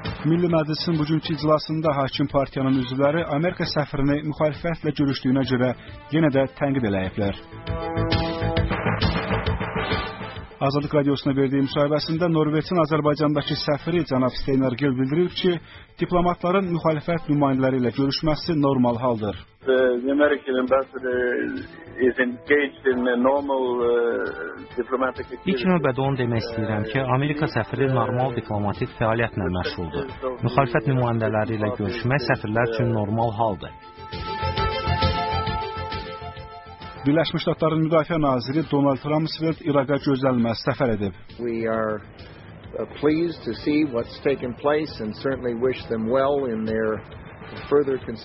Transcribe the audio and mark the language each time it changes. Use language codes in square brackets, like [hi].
[az] Milli Məclisin bugünkü iclasında hakim partiyanın üzvləri Amerika səfirini müxalifətlə görüşdüyünə görə yenə də tənqid eləyiblər. Azadlıq Radiosuna verdiyi müsahibəsində Norveçin Azərbaycandakı səfiri cənab Steinar Gil bildirir ki, diplomatların müxalifət nümayəndələri ilə görüşməsi normal haldır. [en] The American ambassador is engaged in a normal diplomatic activity. [az] İlk növbədə onu demək istəyirəm ki, Amerika səfiri normal diplomatik fəaliyyətlə məşğuldur. Müxalifət nümayəndələri ilə görüşmək səfirlər üçün normal haldır. Birləşmiş Ştatların Müdafiə Naziri Donald Rumsfeld İraqa gözlənilməz səfər edib. [en] We are pleased to see what's taken place and certainly wish them well in their further